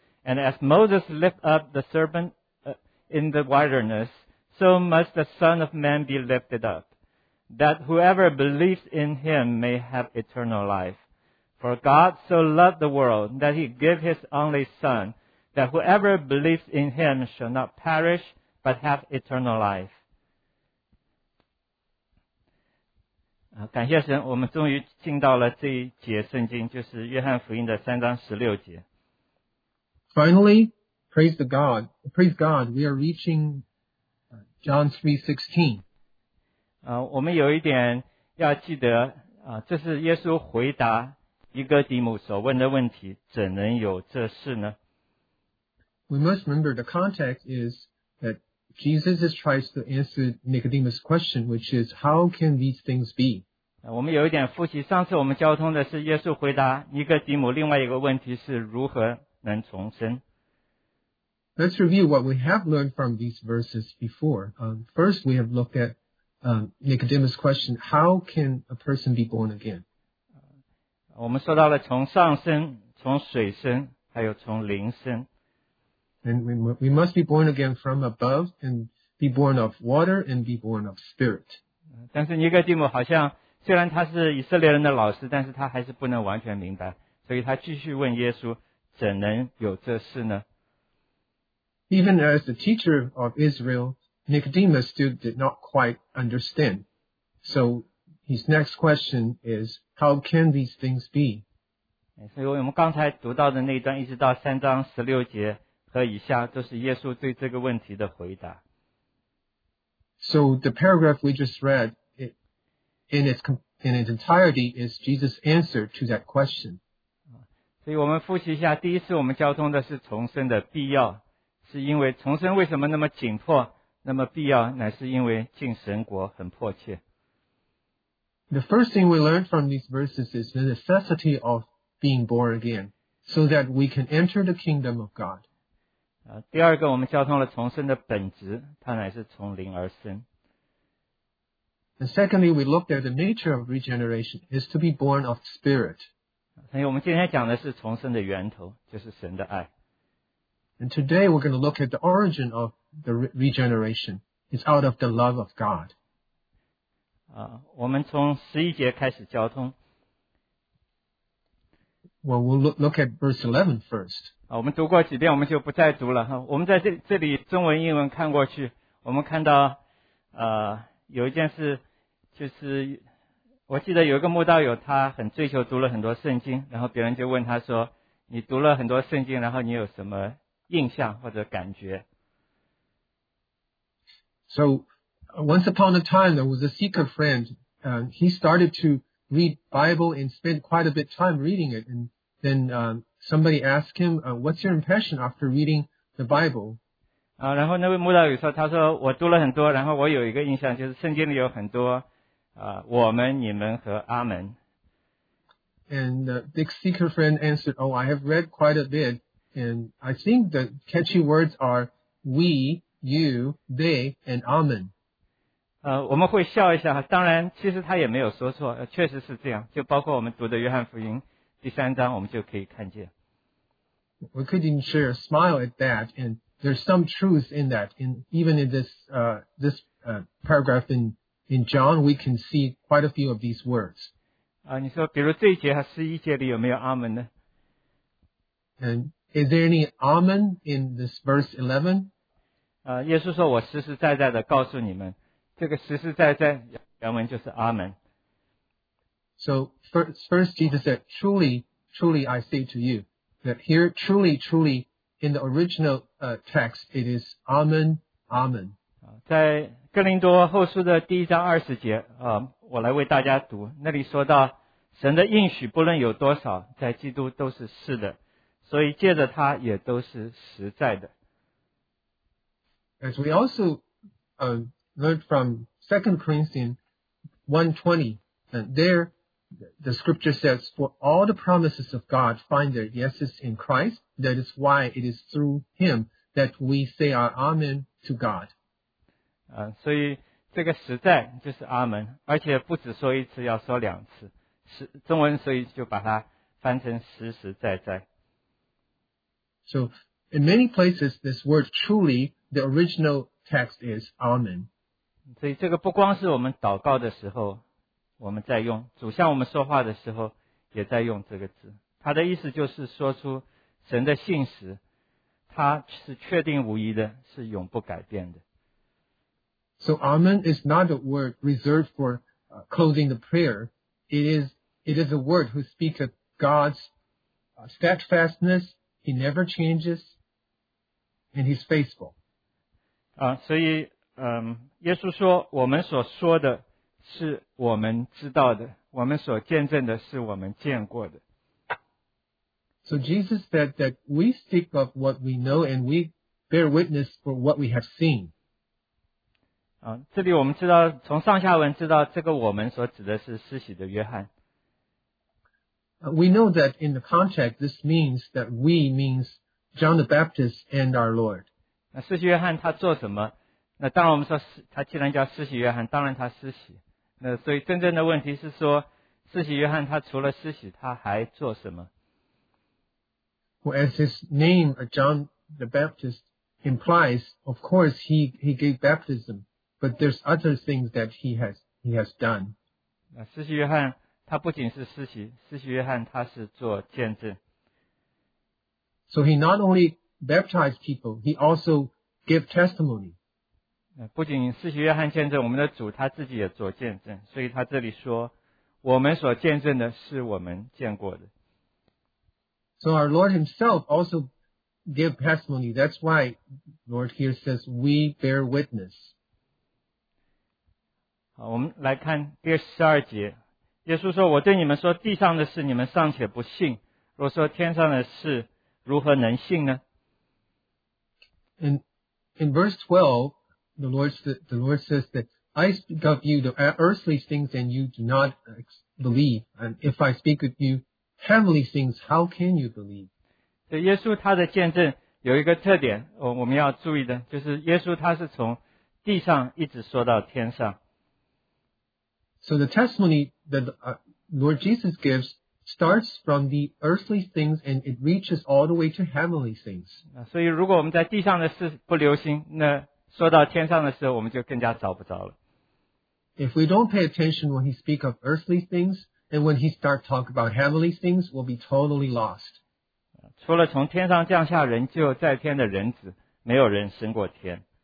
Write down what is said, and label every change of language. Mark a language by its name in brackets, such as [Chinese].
[English] And as Moses lift up the serpent in the wilderness, so must the Son of Man be lifted up, that whoever believes in him may have eternal life. For God so loved the world that he gave his only Son, that whoever believes in him shall not perish, but have eternal life. [Chinese] 感谢神，我们终于进到了这一节圣经，就是约翰福音的三章十六节。 [English] Finally, praise the God. Praise God, we are reaching John 3:16. [Chinese] 我们有一点要记得，这是耶稣回答尼哥底母所问的问题，怎能有这事呢？ [English] We must remember the context is that Jesus is trying to answer Nicodemus' question, which is, how can these things be? [Chinese] 我们有一点复习，上次我们交通的是耶稣回答尼哥底母另外一个问题是如何能重生。 [English] Let's review what we have learned from these verses before. First, we have looked at Nicodemus' question, how can a person be born again? [Chinese] 我们说到了从上生、从水生、还有从灵生。 [English] And we must be born again from above and be born of water and be born of spirit. [Chinese] 但是尼哥底母好像虽然他是以色列人的老师，但是他还是不能完全明白，所以他继续问耶稣怎能有这事呢？ [English] Even as the teacher of Israel, Nicodemus still did not quite understand. So his next question is, how can these things be? [Chinese] 所以我们刚才读到的那一段一直到三章十六节和以下都是耶稣对这个问题的回答。 [English] So the paragraph we just read in its entirety is Jesus' answer to that question. [Chinese] 所以我们复习一下，第一次我们交通的是重生的必要，是因为重生为什么那么紧迫，那么必要，乃是因为进神国很迫切。 [English] The first thing we learned from these verses is the necessity of being born again, so that we can enter the kingdom of God. [Chinese] 第二个我们交通了重生的本质，它乃是从灵而生。 [English] And secondly, we looked at the nature of regeneration is to be born of spirit. [Chinese] 所以我们今天讲的是重生的源头，就是神的爱。 [English] And today we're going to look at the origin of the regeneration. It's out of the love of God. [Chinese] 我们从十一节开始交通。 [English] Well, we'll look at verse 11 first. [Chinese] 我们读过几遍，我们就不再读了。我们在这里中文、英文看过去，我们看到，有一件事，就是。我记得有一个慕道友，他很追求读了很多圣经，然后别人就问他说，你读了很多圣经，然后你有什么印象或者感觉？ [English] So, once upon a time, there was a seeker friend, and he started to read Bible and spent quite a bit of time reading it, and then somebody asked him, what's your impression after reading the Bible? [Chinese] 然后那位慕道友说，他说，我读了很多，然后我有一个印象，就是圣经里有很多我们、你们和阿们。 [English] And the big seeker friend answered, Oh, I have read quite a bit, and I think the catchy words are we, you, they, and amen. [Chinese] 我们会笑一下，当然其实他也没有说错，确实是这样，就包括我们读的约翰福音第三章，我们就可以看见。 [English] We could even share a smile at that, and there's some truth in that. In, even in this, this paragraph in John, we can see quite a few of these words. [Chinese] 你说比如这一节和十一节里有没有 amen 呢？ [English] And is there any amen in this verse 11? [Chinese] 耶稣说我实实在在的告诉你们，这个实实在在原文就是 amen。 [English] So first Jesus said, truly, truly I say to you, that here truly, truly in the original text, it is amen, amen. [Chinese] 在哥林多后书的第一章二十节，我来为大家读，那里说到神的应许不论有多少，在基督都是是的，所以借着他也都是实在的。 [English] As we also learned from 2 Corinthians 1:20, and there the scripture says, for all the promises of God find their yeses in Christ, that is why it is through him that we say our amen to God. [Chinese] 所以这个实在就是阿门，而且不只说一次，要说两次，中文所以就把它翻成实实在在。 [English] So in many places, this word truly, the original text is amen. [Chinese] 所以这个不光是我们祷告的时候我们在用，主向我们说话的时候也在用这个字。他的意思就是说出神的信实，他是确定无疑的，是永不改变的。 [English] So amen is not a word reserved for closing the prayer. It is a word who speaks of God's steadfastness. He never changes, and he's faithful. [Chinese] 所以耶稣说我们所说的是我们知道的，我们所见证的是我们见过的。 [English] So Jesus said that we speak of what we know and we bear witness for what we have seen. [Chinese] 这里我们知道，从上下文知道这个我们所指的是施洗的约翰。 [English] We know that in the context this means that we means John the Baptist and our Lord. [Chinese] 那施洗约翰他做什么？那当然我们说他既然叫施洗约翰，当然他施洗。所以真正的问题是说，施洗约翰他除了施洗，他还做什么？ [English] Well, as his name, John the Baptist, implies, of course, he gave baptism, but there's other things that he has done. [Chinese] 施洗约翰他不仅是施洗，施洗约翰他是做见证。 [English] So he not only baptized people, he also gave testimony. [Chinese] 不仅施洗约翰见证，我们的主他自己也做见证，所以他这里说我们所见证的是我们见过的。 [English] So our Lord himself also gave testimony. That's why Lord here says we bear witness. [Chinese] 好，我们来看第12节，耶稣说，我对你们说地上的事你们尚且不信，若说天上的事如何能信呢？ [English] In verse 12, The Lord says that I speak of you the earthly things and you do not believe. And if I speak of you heavenly things, how can you believe? [Chinese] 对，耶稣他的见证有一个特点，我们要注意的，就是耶稣他是从地上一直说到天上。 [English] So the testimony that the Lord Jesus gives starts from the earthly things and it reaches all the way to heavenly things. [Chinese] 所以如果我们在地上的事不留心，那说到天上的时候我们就更加找不着了。 [English] If we don't pay attention when he speak of earthly things and when he start talk about heavenly things, we'll be totally lost. [Chinese] 除了从天上降下仍旧在天的人子，没有人升过天。